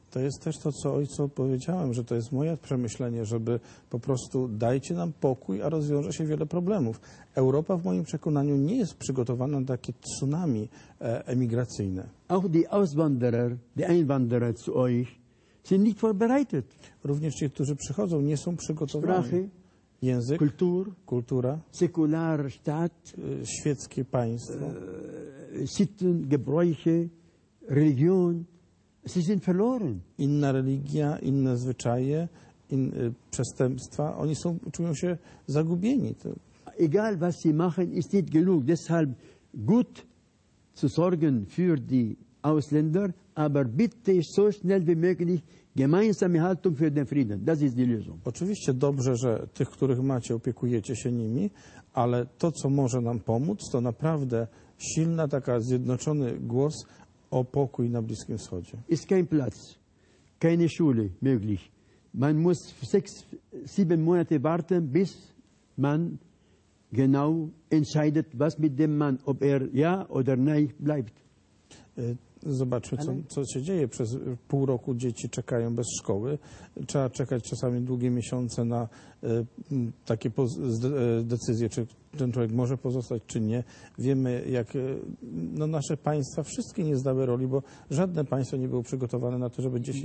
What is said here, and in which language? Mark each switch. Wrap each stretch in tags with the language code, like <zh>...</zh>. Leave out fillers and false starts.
<pl>To jest też to, co ojcu powiedziałem, że to jest moje przemyślenie, żeby po prostu dajcie nam pokój, a rozwiąże się wiele problemów. Europa w moim przekonaniu nie jest przygotowana na takie tsunami emigracyjne.</pl> <de>Auch die Auswanderer, die Einwanderer zu euch sind nicht vorbereitet.</de> <pl>Również ci, którzy przychodzą, nie są przygotowani.</pl> <de>Sprachy,</de> <pl>język, kultura,</pl> <de>säkular Staat,</de> <pl>świeckie państwo,</pl> <de>Sitten, Gebräuche, Religion. Sie sind verloren.</de> <pl>Inna religia, inne zwyczaje, przestępstwa. Oni są, czują się zagubieni.</pl> <de>Egal was sie machen, ist nicht genug. Deshalb gut zu sorgen für die Ausländer, aber bitte so schnell wie möglich gemeinsame Haltung für den Frieden. Das ist die Lösung.</de> <pl>Oczywiście dobrze, że tych, których macie, opiekujecie się nimi, ale to, co może nam pomóc, to naprawdę silna taka zjednoczony głos o pokój na Bliskim Wschodzie.</pl> <de>Ist kein Platz, keine Schule möglich. Man muss 6-7 Monate warten, bis man genau entscheidet, was mit dem Mann, ob ja oder nein bleibt.</de> <pl>Zobaczmy, co się dzieje. Przez pół roku dzieci czekają bez szkoły. Trzeba czekać czasami długie miesiące na takie decyzje, czy ten człowiek może pozostać, czy nie. Wiemy, jak nasze państwa wszystkie nie zdały roli, bo żadne państwo nie było przygotowane na to, żeby 10</pl>